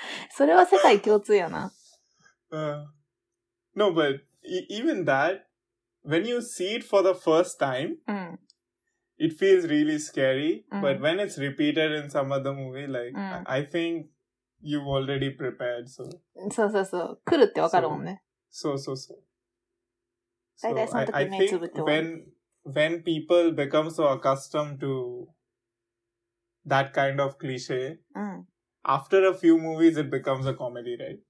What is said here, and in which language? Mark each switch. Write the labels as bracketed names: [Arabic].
[Japanese] それは世界共通やな。 [English] No, but even that,When you see it for the first time, it feels really scary. But when it's repeated in some other movie, like, I think you've already prepared, so. [Japanese] そう。来るってわかるもんね。そう。大体その時目つぶって終わる。 [English] When people become so accustomed to that kind of cliche, after a few movies, it becomes a comedy, right?